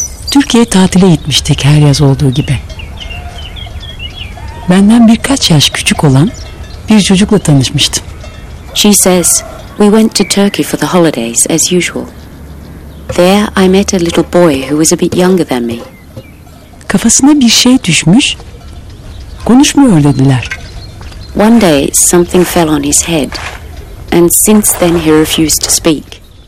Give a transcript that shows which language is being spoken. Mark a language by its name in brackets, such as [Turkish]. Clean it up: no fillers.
[Turkish] Türkiye tatile gitmiştik her yaz olduğu gibi. Benden birkaç yaş küçük olan bir çocukla tanışmıştım. [English] She says, we went to Turkey for the holidays as usual. There I met a little boy who was a bit younger than me. [Turkish] Kafasına bir şey düşmüş, konuşmuyor dediler. [English] One day something fell on his head and since then he refused to speak.